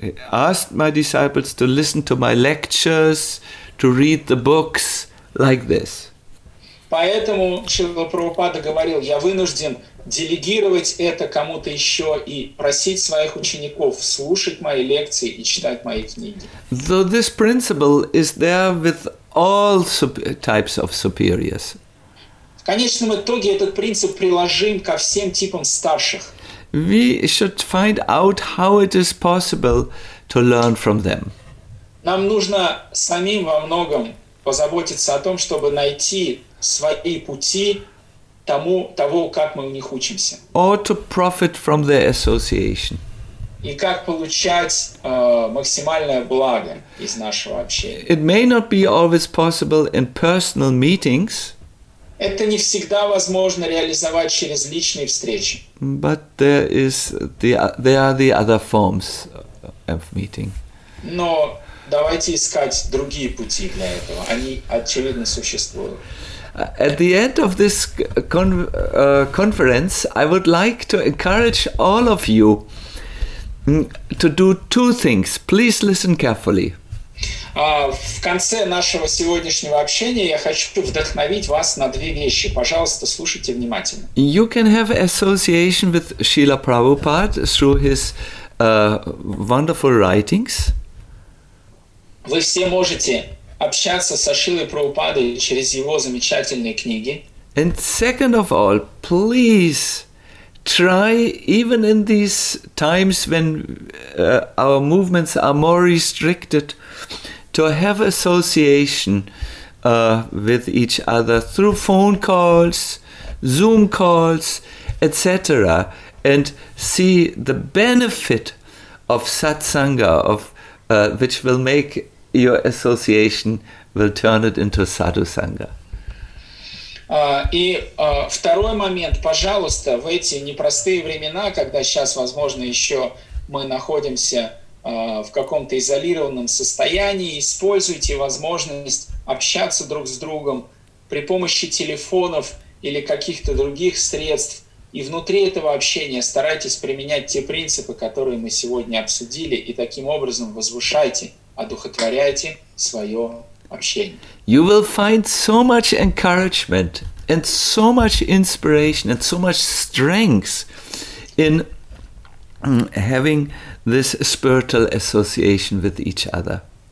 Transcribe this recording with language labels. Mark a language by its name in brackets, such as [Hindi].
[English] Asked my disciples to listen to my lectures, to read the books like this. [Russian] Поэтому Шрила Прабхупада говорил, я вынужден делегировать это кому-то еще и просить своих учеников слушать мои лекции и читать мои книги. [English] So this principle is there with all types of superiors. [Russian] В конечном итоге этот принцип приложим ко всем типам старших. [English] We should find out how it is possible to learn from them. [Russian] Нам нужно самим во многом позаботиться о том, чтобы найти свои пути тому, того, как мы у них учимся. [English] Or to profit from their association. [Russian] И как получать максимальное благо из нашего общения. [English] It may not be always possible in personal meetings. [Russian] Это не всегда возможно реализовать через личные встречи. [English] But there are the other forms of meeting. [Russian] Но давайте искать другие пути для этого. Они очевидно существуют. [English] At the end of this conference, I would like to encourage all of you to do two things. Please listen carefully. [Russian] В конце нашего сегодняшнего общения я хочу вдохновить вас на две вещи. Пожалуйста, слушайте внимательно. [English] You can have association with Srila Prabhupada through his wonderful writings. [Russian] Вы все можете общаться со Шрилой Прабхупадой через его замечательные книги. [English] And second of all, please try, even in these times when our movements are more restricted, to have association with each other through phone calls, Zoom calls, etc., and see the benefit of satsanga, of which will make your association, will turn it into sadhu sangha. [Russian] Второй момент, пожалуйста, в эти непростые времена, когда сейчас, возможно, еще мы находимся в каком-то изолированном состоянии, используйте возможность общаться друг с другом при помощи телефонов или каких-то других средств. И внутри этого общения старайтесь применять те принципы, которые мы сегодня обсудили, и таким образом возвышайте, одухотворяйте свое общение. [English] You will find so much encouragement and so much inspiration and so much strength in having this spiritual association with each other.